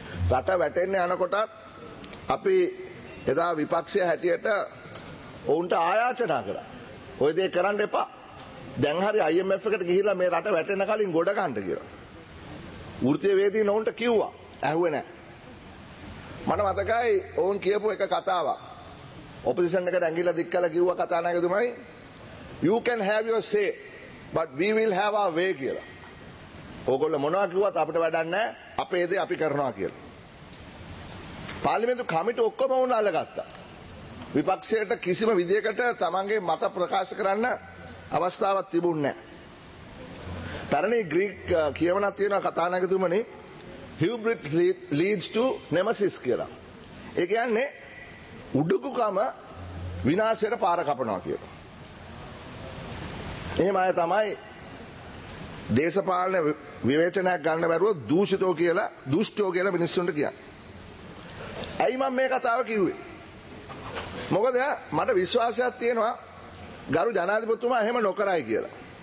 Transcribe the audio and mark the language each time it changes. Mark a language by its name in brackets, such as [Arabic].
[Sinhala] රට වැටෙන්න යනකොටත් අපි එදා විපක්ෂය හැටියට ඔවුන්ට ආයාචනා කළා. ඔය දේ කරන්න එපා. දැන් හරි IMF එකට ගිහිල්ලා මේ රට වැටෙන කලින් ගොඩ ගන්න කියලා. වෘත්තිවේදීන් ඔවුන්ට කිව්වා. ඇහුවේ නැහැ. මම මතකයි ඔවුන් කියපු එක කතාවක්. ඔපොසිෂන් එකට ඇඟිල්ල දික් කළා කිව්වා කතානායකතුමයි. [English] You can have your say, but we will have our way [Sinhala] කියලා. ඕගොල්ලෝ මොනවා කිව්වත් අපිට වැඩක් නැහැ. අපේ දේ අපි කරනවා කියලා. පාර්ලිමේන්තු කමිටු ඔක්කොම වුණ අල්ලගත්තා. විපක්ෂයට කිසිම විදියකට තමන්ගේ මත ප්‍රකාශ කරන්න අවස්ථාවක් තිබුණ නැහැ. පැරණි ග්‍රීක කියවණක් තියෙනවා කතානායකතුමනි. [English] Hubris leads to nemesis [Sinhala] කියලා. ඒ කියන්නේ උඩුකුකම විනාශයට පාර කපනවා කියලා. එහෙම අය තමයි දේශපාලන විවේචනයක් ගන්න බැරුව දූෂිතෝ කියලා දුෂ්ටෝ කියලා මිනිස්සුන්ට කියන්නේ. ඇයි මම මේ කතාව කිව්වේ? මොකද මට විශ්වාසයක් තියෙනවා ගරු ජනාධිපතිතුමා එහෙම නොකරයි කියලා.